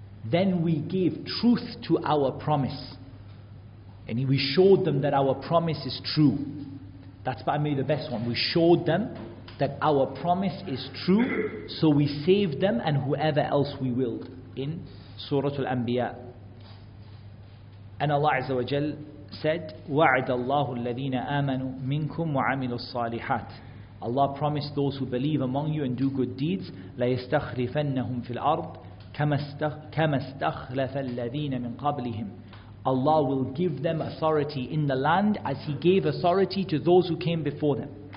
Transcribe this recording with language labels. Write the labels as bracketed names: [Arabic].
[English] Then we gave truth to our promise. And we showed them that our promise is true. That's by me the best one. We showed them that our promise is true, so we saved them and whoever else we willed in Surah Al-Anbiya. And Allah Azza wa Jal said, [Arabic] وَعَدَ اللَّهُ الَّذِينَ آمَنُوا مِنْكُمْ وَعَمِلُوا الصَّالِحَاتِ. [English] Allah promised those who believe among you and do good deeds, [Arabic] لَيَسْتَخْلِفَنَّهُمْ فِي الْأَرْضِ كَمَسْتَخْلَفَ الَّذِينَ مِنْ قَبْلِهِمْ. [English] Allah will give them authority in the land as He gave authority to those who came before them.